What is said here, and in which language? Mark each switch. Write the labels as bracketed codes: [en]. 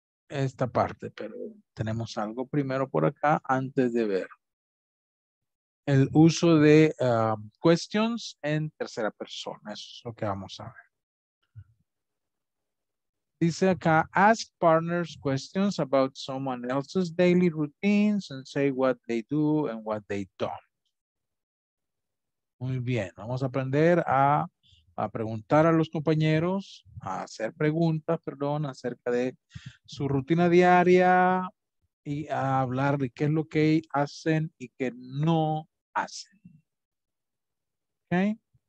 [es] Esta parte, pero tenemos algo primero por acá antes de ver el uso de questions en tercera persona. Eso es lo que vamos a ver. Dice acá, [en] ask partners questions about someone else's daily routines and say what they do and what they don't. [es] Muy bien, vamos a aprender a preguntar a los compañeros, a hacer preguntas, perdón, acerca de su rutina diaria y a hablar de qué es lo que hacen y qué no hacen. ¿Ok?